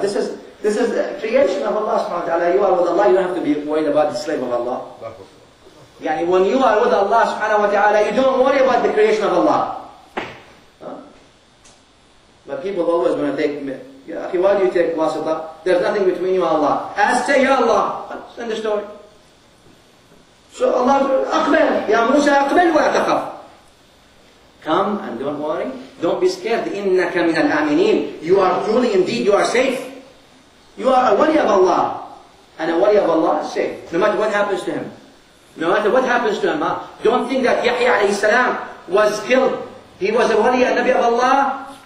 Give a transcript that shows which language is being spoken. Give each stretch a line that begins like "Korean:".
English: This is the creation of Allah subhanahu wa ta'ala. You are with Allah, you don't have to be worried about the slave of Allah. Yani when you are with Allah subhanahu wa ta'ala, you don't worry about the creation of Allah. Huh? But people always want to take, Ya Akhi, why do you take wasita? There's nothing between you and Allah. As to Ya Allah. Send the story.
Arabic: So Allah says, أَقْبَلْ يَا مُوسَى أَقْبَلْ وَأَتَخَفْ.
English: Come and don't worry. Don't be scared. إِنَّكَ مِنَ الْآمِنِينَ. You are truly indeed, you are safe. You are a wali of Allah. And a wali of Allah is safe. No matter what happens to him. No matter what happens to him. Don't think that Yahya alayhi salam was killed. He was a wali of Nabi of Allah.